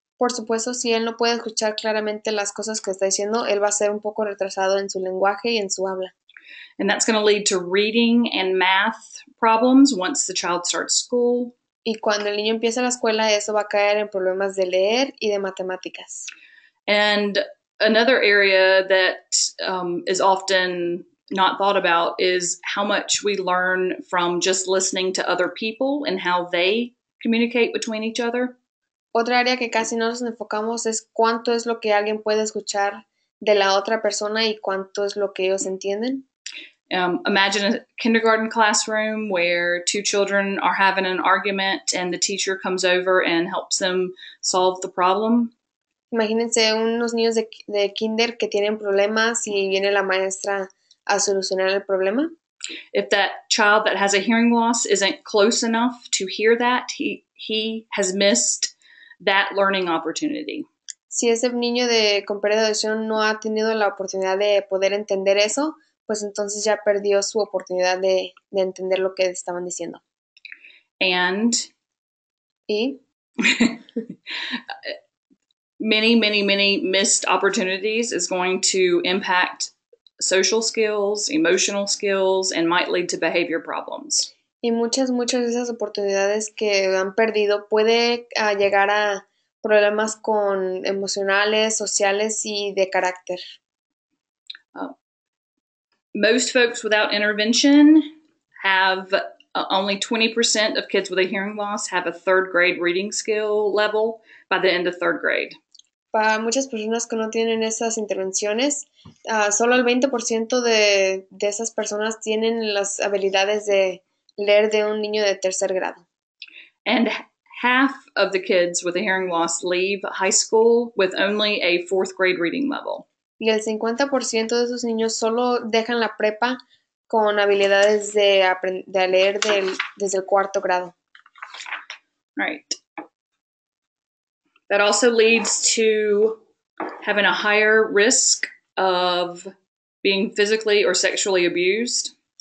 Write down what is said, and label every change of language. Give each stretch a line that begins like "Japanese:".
Spanish: Por supuesto, si él no puede escuchar claramente las cosas que está diciendo, él va a ser un poco retrasado en su lenguaje y en su habla.
English: And that's going to lead to reading and math problems once the child starts school.
Spanish: Y cuando el niño empieza la escuela, eso va a caer en problemas de leer y de matemáticas.
English: And another area that is often not thought about is how much we learn from just listening to other people and how they communicate between each other.
Spanish: Otra área que casi no nos enfocamos es cuánto es lo que alguien puede escuchar de la otra persona y cuánto es lo que ellos entienden.
English: Imagine a kindergarten classroom where two children are having an argument and the teacher comes over and helps them solve the problem.
Spanish: Imagínense unos niños de kinder que tienen problemas y viene la maestra a solucionar el problema.
English: If that child that has a hearing loss isn't close enough to hear that, he has missed that learning opportunity.
Spanish: Si ese niño con pérdida de audición no ha tenido la oportunidad de poder entender eso, pues entonces ya perdió su oportunidad de entender lo que estaban diciendo.
English: And
Spanish: y
English: many, many, many missed opportunities is going to impact social skills, emotional skills, and might lead to behavior problems.
Spanish: Y muchas de esas oportunidades que han perdido puede llegar a problemas con emocionales, sociales y de carácter.
English: Most folks without intervention have only 20% of kids with a hearing loss have a third grade reading skill level by the end of third grade.
Spanish: Para muchas personas que no tienen esas intervenciones, solo el 20% de esas personas tienen las habilidades de leer de un niño de tercer grado.
English: And half of the kids with a hearing loss leave high school with only a fourth grade reading level.
Spanish: Y el 50% de esos niños solo dejan la prepa con habilidades de leer desde el cuarto grado.
English: Right. That also leads to having a higher risk of being physically or sexually abused.